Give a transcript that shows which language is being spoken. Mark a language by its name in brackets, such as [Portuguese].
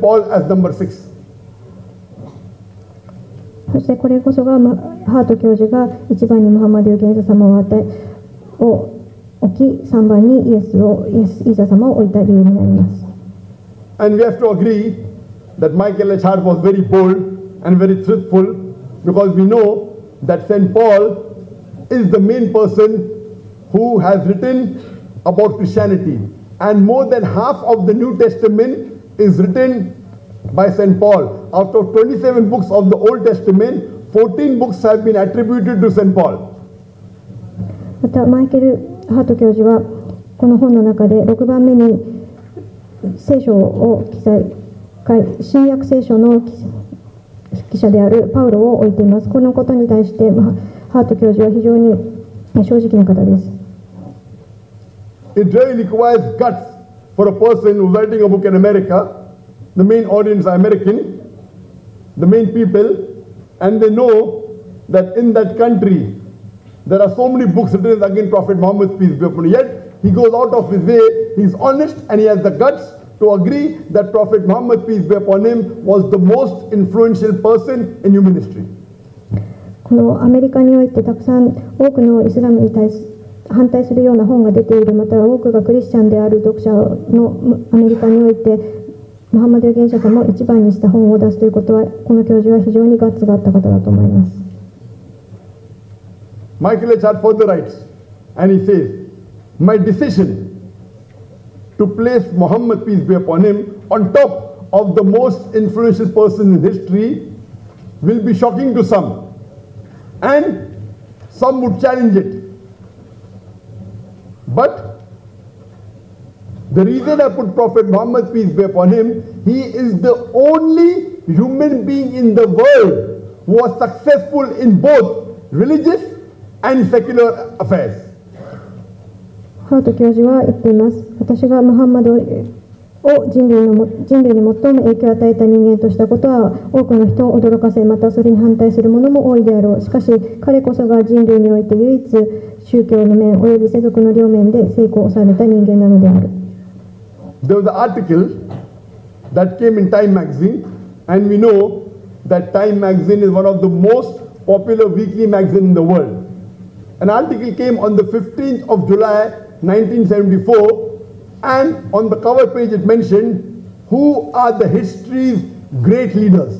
[English] Paul as number six. [Japanese] そしてこれこそがハート教授が一番にムハンマド預言者様を置き3番にイーサー様を置いた理由になります。 [English] And we have to agree that Michael H. Hart was very bold and very truthful because we know that St. Paul is the main person who has written about Christianity. And more than half of the New Testament is written by St. Paul. Out of 27 books of the Old Testament, 14 books have been attributed to St. Paul. [Japanese] またマイケルハート教授はこの本の中で6番目に聖書を記載、新約聖書の筆記者であるパウロを置いています。このことに対してハート教授は非常に正直な方です。 [English] It really requires guts for a person who's writing a book in America. The main audience are American, the main people, and they know that in that country,There are so many books written against Prophet Muhammad, peace be upon him. Yet, he goes out of his way, he's honest, and he has the guts to agree that Prophet Muhammad, peace be upon him, was the most influential person in human history. [Japanese] このアメリカにおいてたくさん多くのイスラムに対す反対するような本が出ている、または多くがクリスチャンである読者のアメリカにおいて、ムハンマド預言者様を一番にした本を出すということは、この教授は非常にガッツがあった方だと思います。 [English] Michael H. Hart further writes, and he says, My decision to place Muhammad, peace be upon him, on top of the most influential person in history will be shocking to some, and some would challenge it. But the reason I put Prophet Muhammad, peace be upon him, he is the only human being in the world who was successful in both religious. And secular affairs. [Japanese] ハート教授は言っています。私がムハンマドを人類に最も影響を与えた人間としたことは多くの人を驚かせ、またそれに反対する者も多いであろう。しかし彼こそが人類において唯一宗教の面および世俗の両面で成功を収めた人間なのである。 [English] There was an article that came in Time magazine, and we know that Time magazine is one of the most popular weekly magazine in the world. An article came on the 15th of July 1974, and on the cover page it mentioned, who are the history's great leaders?